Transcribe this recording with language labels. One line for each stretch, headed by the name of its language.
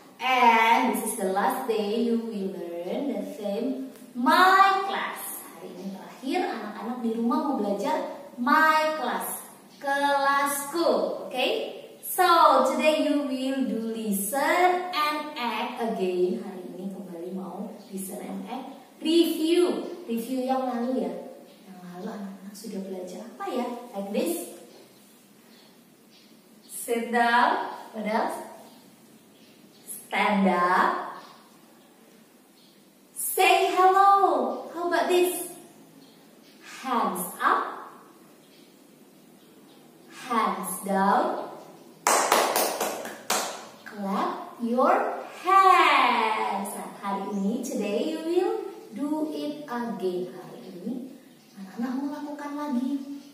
English: And this is the last day you will learn the theme My Class.
Indonesian: Hari ini terakhir anak-anak di rumah mau belajar My Class, kelasku. Okay?
English: So today you will do listen and act again.
Indonesian: Hari ini kembali mau listen and act review. Review yang lalu ya. Yang lalu anak-anak sudah belajar apa ya?
English: Like this. Sit down. What else? Stand up. Say hello. How about this? Hands up. Hands down. Clap your hands.
Indonesian: Hari ini,
English: today you will do it again.
Indonesian: Hari ini, anak-anak mau lakukan lagi.